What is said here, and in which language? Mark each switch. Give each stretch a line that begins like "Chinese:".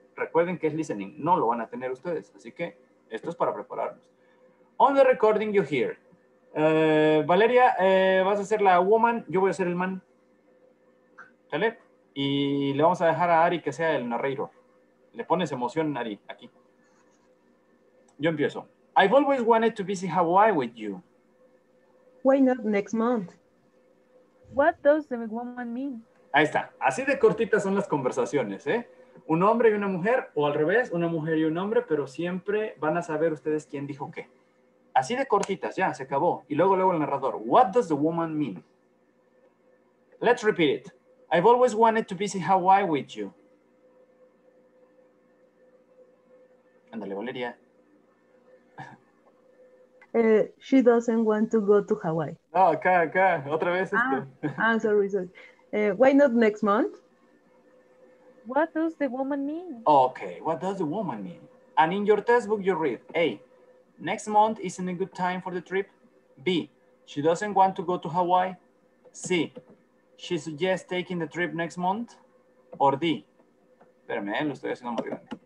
Spanish: Recuerden que es listening, no lo van a tener ustedes, así que esto es para prepararnos.
English: On the recording you hear,
Spanish: Valeria, vas a ser la woman, yo voy a ser el man. ¿Sale? Y le vamos a dejar a Ari que sea el narrador. Le pones emoción, Ari, aquí. Yo empiezo.
English: I've always wanted to visit Hawaii with you. Why not next month? What does the woman mean?
Spanish: Ahí está. Así de cortitas son las conversaciones, ¿eh? Un hombre y una mujer, o al revés, una mujer y un hombre, pero siempre van a saber ustedes quién dijo qué. Así de cortitas, ya, se acabó. Y luego el narrador.
English: What does the woman mean? Let's repeat it. I've always wanted to visit Hawaii with you.
Spanish: Ándale, Valeria.
English: She doesn't want to go to Hawaii.
Spanish: Oh, acá, otra vez.
English: Sorry. Why not next month? What does the woman mean? Okay, what does the woman mean? And in your test book you read, A, next month isn't a good time for the trip. B, she doesn't want to go to Hawaii. C, she suggests taking the trip next month. Or D,
Spanish: espérame, lo estoy haciendo muy bien.